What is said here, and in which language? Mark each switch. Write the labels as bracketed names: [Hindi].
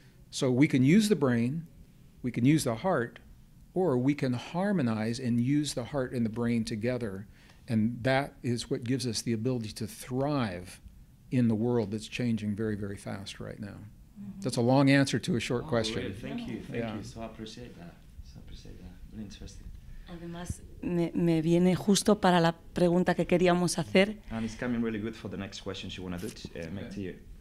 [English] So we can use the brain, we can use the heart, or we can harmonize and use the heart and the brain together. And that is what gives us the ability to thrive in the world that's changing very, very fast right now. Mm-hmm. That's a long answer to a short question. Really? Thank you. So I appreciate that. Really interesting. [Spanish] Además, me viene justo para la pregunta que queríamos hacer. [English] And it's coming really good for the next question she wanted to make to you.